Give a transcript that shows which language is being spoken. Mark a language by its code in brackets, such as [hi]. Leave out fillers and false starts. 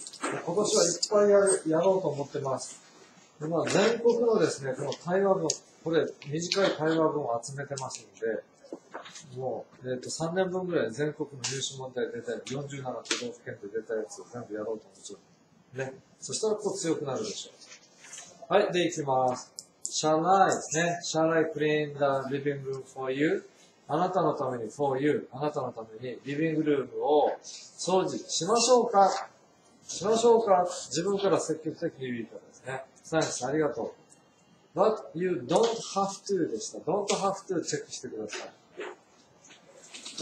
[ja] で、今年はいっぱいやろうと思ってます。今全国のですね、この対話文、これ短い対話文を集めてますので、もう、3年分ぐらい全国の入試問題出たやつ、47都道府県で出たやつを全部やろうと思って、ね。そしたらこう強くなるでしょう。はい、で行きます。 [en] Shall I? [ja] ね。 [en] Shall I clean the living room for you? [ja] あなたのために [en] for you。 [ja] あなたのためにリビングルームを掃除しましょうか？しましょうか？自分から積極的に言うからですね。サイエンス、ありがとう。 [en] But you don't have to [ja] でした。 [en] Don't have to [ja] チェックしてください。